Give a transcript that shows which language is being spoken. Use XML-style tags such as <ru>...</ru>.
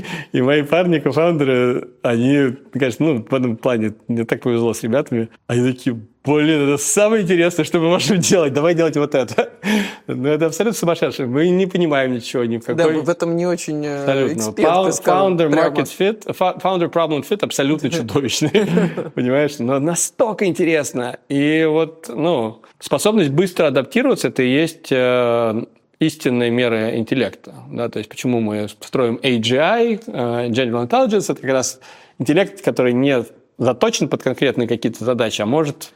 <ru>И мои парни, кофаундеры, они, конечно, ну, в этом плане мне так повезло с ребятами. Они такие, блин, это самое интересное, что мы можем делать. Давай делать вот это. Ну, это абсолютно сумасшедшее. Мы не понимаем ничего никакого. Да, мы в этом не очень эксперты,</ru> <en>Founder market fit, founder problem fit</en> <ru>абсолютно чудовищный. Понимаешь? Но настолько интересно. И вот, ну, способность быстро адаптироваться, это и есть истинные меры интеллекта. Да? То есть почему мы строим AGI, General Intelligence, это как раз интеллект, который не заточен под конкретные какие-то задачи, а может</ru>